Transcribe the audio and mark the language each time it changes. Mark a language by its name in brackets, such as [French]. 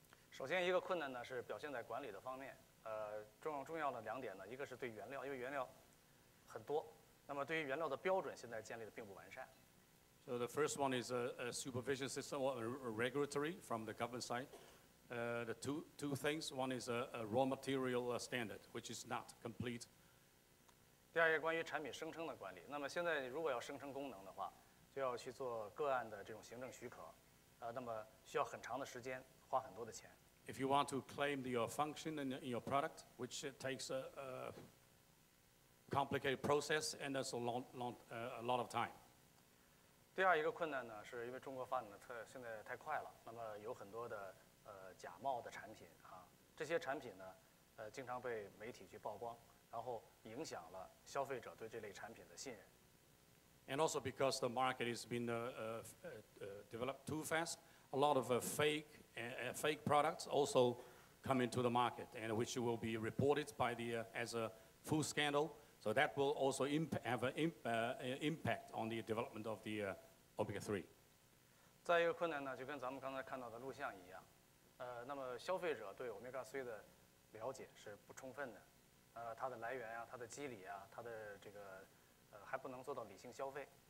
[Chinese] 首先一个困难呢是表现在管理的方面，重要的两点呢，一个是对原料，因为原料很多，那么对于原料的标准现在建立的并不完善。 [English] So the first one is a supervision system or a regulatory from the government side. The two things. One is a raw material standard, which is not complete. [Chinese] 第二个关于产品声称的管理。那么现在如果要声称功能的话，就要去做个案的这种行政许可，那么需要很长的时间，花很多的钱。 [English] If you want to claim your function in your product, which takes a complicated process and also a lot of time. [Chinese] 第二一个困难呢，是因为中国发展的现在太快了，那么有很多的假冒的产品啊，这些产品呢，经常被媒体去曝光，然后影响了消费者对这类产品的信任。 [English] And also because the market has been developed too fast, a lot of fake products also come into the market, and which will be reported by the as a food scandal. So that will also have an impact on the development of the omega-3. [Chinese] 再一个困难呢，就跟咱们刚才看到的录像一样，那么消费者对 omega-3 的了解是不充分的，它的来源啊，它的机理啊，它的这个还不能做到理性消费。